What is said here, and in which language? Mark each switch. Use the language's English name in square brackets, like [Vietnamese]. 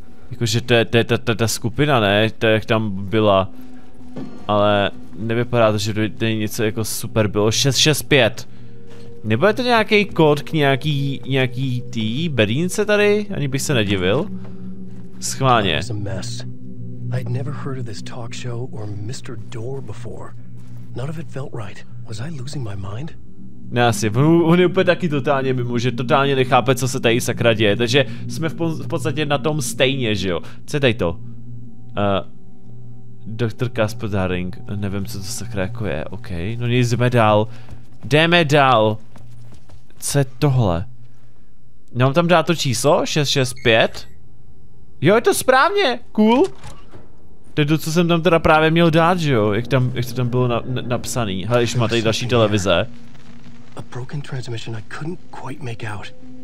[Czech] Jakože to je ta skupina, ne? To jak tam byla. Ale nevypadá to, že to je něco jako super bylo. 665. Nebo je to nějaký kód k nějaký tý berínce tady? Ani bych se nedivil. Schválně. [English] I'd never heard of this talk show or Mr. Door before. None of it felt right. Was I losing my mind? [Czech] Ne, asi, on je úplně taky totálně mimo, že totálně nechápe, co se tady sakra děje, takže jsme v podstatě na tom stejně, že jo. Co je tady to? Dr. Kasper Daring, nevím, co to sakra jako je, okej. Okay. No nic, jdeme dál. Co je tohle? Mám tam dát to číslo? 665? Jo, je to správně, cool. To je to, co jsem tam teda právě měl dát, že jo, jak to tam bylo napsaný. Hele, ještě má tady další televize. [English] A broken transmission I couldn't quite make out.